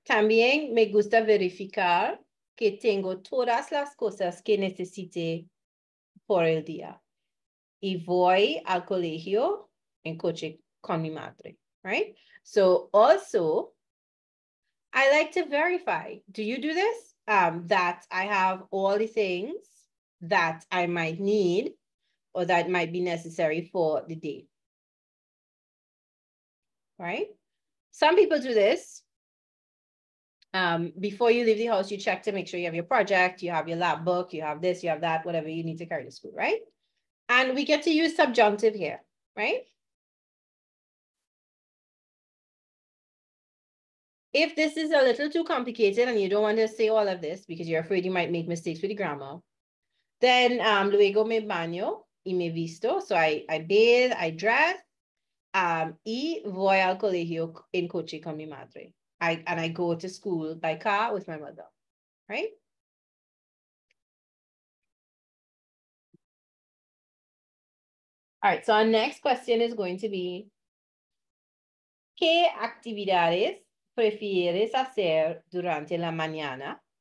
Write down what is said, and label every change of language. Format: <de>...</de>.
<es>También me gusta verificar que tengo todas las cosas que necesite por el día. Y voy al colegio en coche con mi madre, right?</es> <en>So also, I like to verify, do you do this? That I have all the things that I might need or that might be necessary for the day, right? Some people do this. Before you leave the house, you check to make sure you have your project, you have your lab book, you have this, you have that, whatever you need to carry to school, right? And we get to use subjunctive here, right? If this is a little too complicated and you don't want to say all of this because you're afraid you might make mistakes with the grammar, then</en> <es>luego me baño y me visto.</es> <en>So I bathe, I dress,</en> <es>y voy al colegio en coche con mi madre.</es> <en>I go to school by car with my mother, right? All right, so our next question is going to be,</en> <es>¿qué actividades prefieres hacer durante la mañana?</es>